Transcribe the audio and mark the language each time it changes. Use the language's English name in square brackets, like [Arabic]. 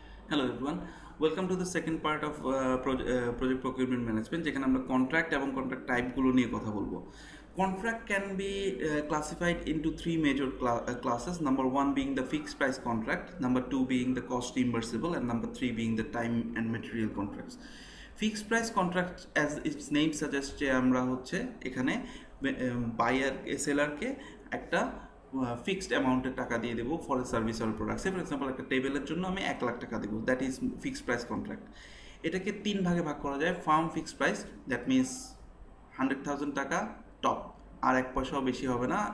[English] Hello everyone, welcome to the second part of project procurement management. [Bangla] যেখানে আমরা contract এবং contract type গুলো নিয়ে কথা বলবো. [English] Contract can be classified into three major classes. Number one being the fixed price contract, number two being the cost reimbursable, and number three being the time and material contracts. Fixed price contract, as its name suggests, [Bangla] যে আমরা হচ্ছে এখানে buyer seller কে একটা fixed অ্যামাউন্টের টাকা দিয়ে দেবো [English] For a service or product. [Bangla] For example একটা টেবিলের জন্য আমি 1 লাখ টাকা দেবো, [English] That is fixed price contract. [Bangla] এটাকে তিন ভাগে ভাগ করা যায়, farm fixed price that means 100,000 টাকা টপ, আর 1 পয়সাও বেশি হবে না.